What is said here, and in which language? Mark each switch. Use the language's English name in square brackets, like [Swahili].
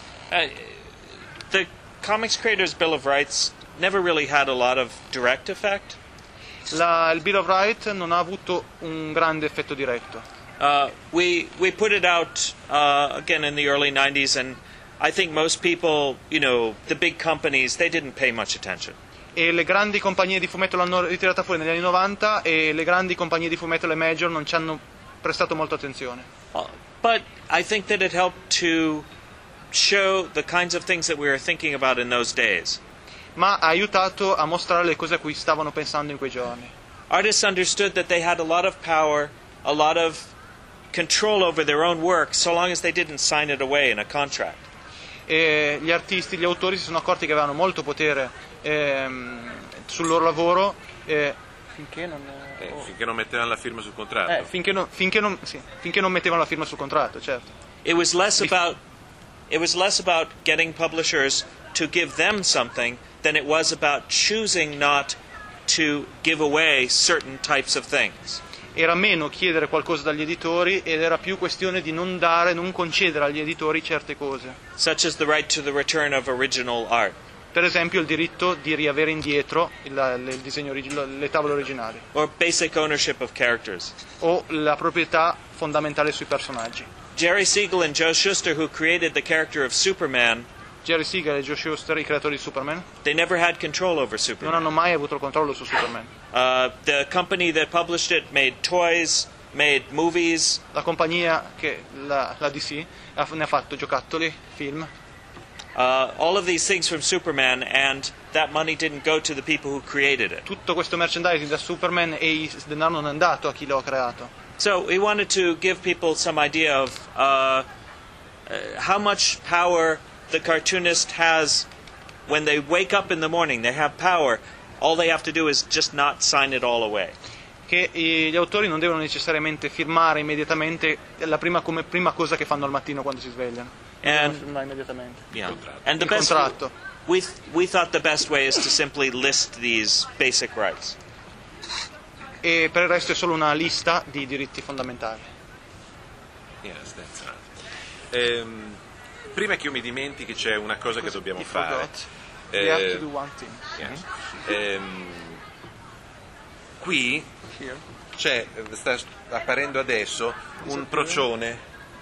[English] The Comics Creators Bill of Rights never really had a lot of direct effect. [Italian] Il Bill of Rights non ha avuto un grande effetto diretto. [English] We put it out again in the early 90s, and I think most people, you know, the big companies, they didn't pay much attention. [Italian] E le grandi compagnie di fumetto l'hanno ritirata fuori negli anni 90 e le grandi compagnie di fumetto, le major, non ci hanno prestato molta attenzione. [English] But I think that it helped to show the kinds of things that we were thinking about in those days. [Italian] Ma ha aiutato a mostrare le cose a cui stavano pensando in quei giorni. [English] Artists understood that they had a lot of power, a lot of control over their own work, so long as they didn't sign it away in a contract. [Italian] E gli artisti, gli autori si sono accorti che avevano molto potere sul loro lavoro Finché non mettevano la firma sul contratto. Finché non mettevano la firma sul contratto, certo. [English] It was less about getting publishers to give them something than it was about choosing not to give away certain types of things. [Italian] Era meno chiedere qualcosa dagli editori ed era più questione di non concedere agli editori certe cose. [English] Such as the right to the return of original art. [Italian] Per esempio il diritto di riavere indietro il disegno, le tavole originali. [English] Or basic ownership of characters. [Italian] O la proprietà fondamentale sui personaggi. [English] Jerry Siegel and Joe Shuster, who created the character of Superman, [Italian] Jerry Siegel e Joe Shuster, I creatori di Superman, [English] they never had control over Superman. [Italian] Non hanno mai avuto il controllo su Superman. [English] The company that published it made toys, made movies. [Italian] La compagnia che la DC ne ha fatto giocattoli, film. [English] All of these things from Superman, and that money didn't go to the people who created it. [Italian] Tutto questo merchandising da Superman e il denaro non è andato a chi lo ha creato. [English] So we wanted to give people some idea of how much power the cartoonist has when they wake up in the morning. They have power. All they have to do is just not sign it all away. [Italian] Che gli autori non devono necessariamente firmare immediatamente la prima cosa che fanno al mattino quando si svegliano. [English] And the best contratto. We thought the best way is to simply list these basic rights. [Italian] E per il resto è solo una lista di diritti fondamentali. [English] Yes, that's right. [Italian] Prima che io mi dimentichi, c'è una cosa che dobbiamo fare. [English] We have to do one thing. Yes. [Italian] Qui sta apparendo adesso un procione.